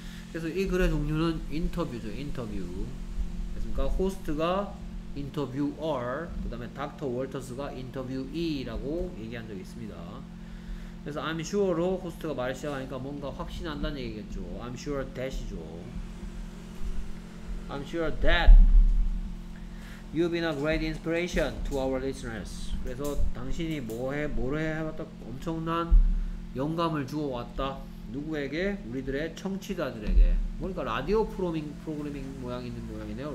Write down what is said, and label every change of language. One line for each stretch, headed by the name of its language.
Korean: 그래서 이 글의 종류는 인터뷰죠. 인터뷰. 됐습니까? 호스트가 interviewer 그 다음에 닥터 월터스가 interviewee라고 얘기한 적이 있습니다. 그래서
English: I'm sure
Korean: 로 호스트가 말 시작하니까 뭔가 확신한다는 얘기겠죠.
English: I'm sure that
Korean: 이죠.
English: I'm sure that you've been a great inspiration to our listeners.
Korean: 그래서 당신이 뭐를 해봤다 엄청난 영감을 주어왔다. 누구에게? 우리들의 청취자들에게. 그러니까 라디오 프로그래밍 모양이 있는 모양이네요.